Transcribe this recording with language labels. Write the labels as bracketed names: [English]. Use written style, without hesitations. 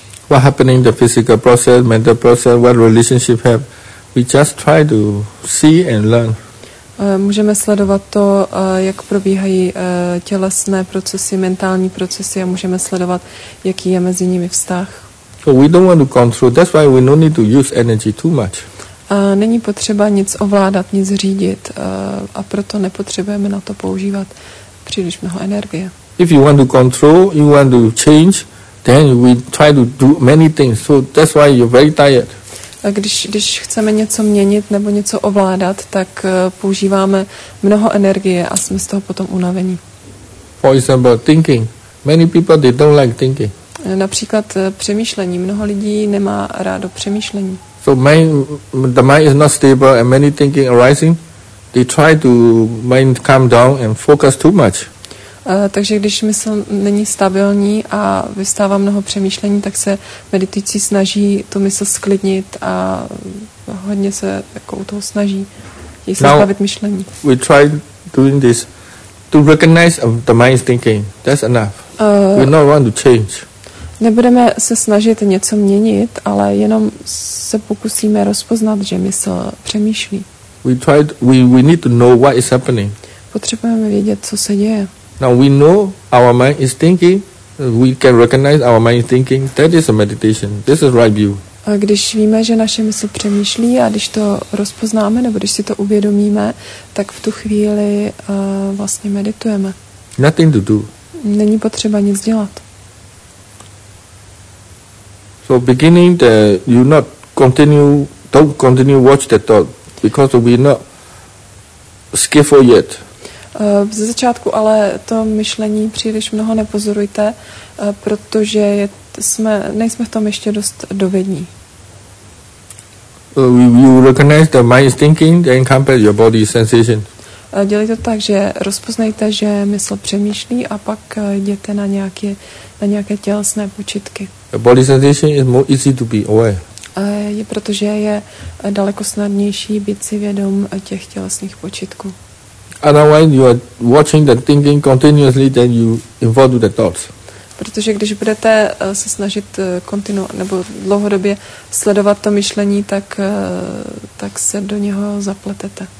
[English] What happening in the physical process, mental process, what relationship have We just try to see and learn. [Czech] Můžeme sledovat to, jak probíhají tělesné procesy, mentální procesy, a můžeme sledovat, jaký je mezi nimi vztah. [English] So we don't want to control. That's why we don't need to use energy too much. [Czech] Není potřeba nic ovládat, nic řídit, a proto nepotřebujeme na to používat příliš mnoho energie. [English] If you want to control, you want to change, then we try to do many things. So that's why you're very tired. [Czech] Když chceme něco měnit nebo něco ovládat, tak používáme mnoho energie a jsme z toho potom unavení. [English] For example, thinking. Many people, they don't like thinking. [Czech] Například přemýšlení. Mnoho lidí nemá rádo přemýšlení. [English] So the mind is not stable and many thinking arising. They try to mind calm down and focus too much. [Czech] Takže když mysl není stabilní a vystává mnoho přemýšlení, tak se meditující snaží tu mysl sklidnit a hodně se jako u toho snaží zbavit myšlení. [English] We try doing this to recognize the mind's thinking. That's enough. We don't want to change. [Czech] Nebudeme se snažit něco měnit, ale jenom se pokusíme rozpoznat, že mysl přemýšlí. [English] We need to know what is happening. [Czech] Potřebujeme vědět, co se děje. [English] Now we know our mind is thinking. We can recognize our mind thinking. That is a meditation. This is right view. [Czech] A když víme, že naše mysl přemýšlí, a když to rozpoznáme nebo když si to uvědomíme, tak v tu chvíli vlastně meditujeme. [English] Nothing to do. [Czech] Není potřeba nic dělat. [English] So beginning the you not continue don't continue watch the thought because we not skillful yet. [Czech] Ze začátku ale to myšlení příliš mnoho nepozorujte, protože nejsme v tom ještě dost dovední. [English] You recognize the mind is thinking, then compare your body sensation. [Czech] Dělejte to tak, že rozpoznejte, že mysl přemýšlí, a pak jděte na nějaké tělesné počitky. [English] The body sensation is more easy to be aware. [Czech] Protože je daleko snadnější být si vědom těch tělesných počitků. [English] Otherwise you are watching the thinking continuously, then you involve the thoughts. [Czech] Protože když budete se snažit nebo dlouhodobě sledovat to myšlení, tak se do něho zapletete.